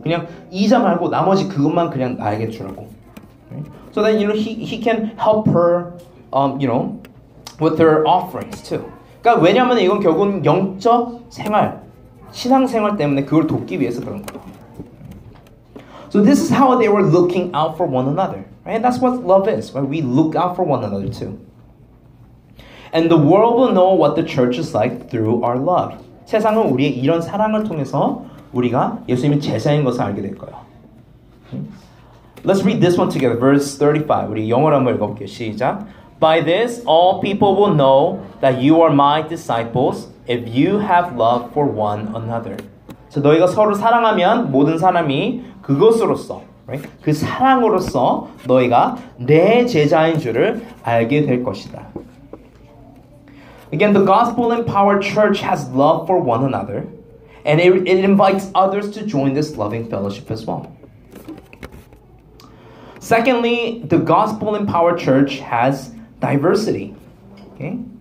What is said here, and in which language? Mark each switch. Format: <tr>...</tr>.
<ko>그냥 이자 말고 나머지 그것만 그냥 나에게 주라고.</ko> <en>So then, you know, he can help her, you know, with her offerings too.</en> <ko>그러니까 왜냐하면 이건 결국은 영적 생활, 신앙 생활 때문에 그걸 돕기 위해서 그런 거예요.</ko> <en>So this is how they were looking out for one another, right? And that's what love is, right? We look out for one another too. And the world will know what the church is like through our love.</en> <ko>세상은 우리의 이런 사랑을 통해서 우리가 예수님의 제자인 것을 알게 될 거예요.</ko> <en>Let's read this one together, verse 35.</en> <ko>우리 영어로 한번 읽어볼게요. 시작.</ko> <en>By this, all people will know that you are my disciples if you have love for one another. So</en> <ko>너희가 서로 사랑하면 모든 사람이 그것으로서,</ko> <en>right?</en> <ko>그 사랑으로서 너희가 내 제자인 줄을 알게 될 것이다.</ko> <en>Again, the gospel-empowered church has love for one another, and it invites others to join this loving fellowship as well. Secondly, the gospel-empowered church has diversity. Okay?</en>